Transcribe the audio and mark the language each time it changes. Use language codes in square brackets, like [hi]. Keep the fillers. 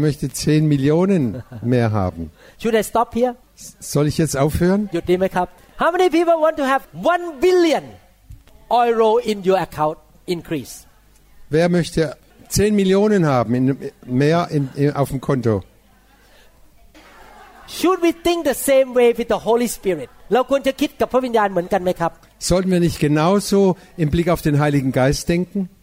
[de] möchte 10 Millionen mehr haben? Soll ich jetzt aufhören? [en] How many people want to have 1 billion Euro in your account increase? [de] Wer möchte 10 Millionen haben mehr in, auf dem Konto? [en] Should we think the same way with the Holy Spirit? [th] เราควรจะคิดกับพระวิญญาณเหมือนกันไหมครับ? [de] Sollten wir nicht genauso im Blick auf den Heiligen Geist denken?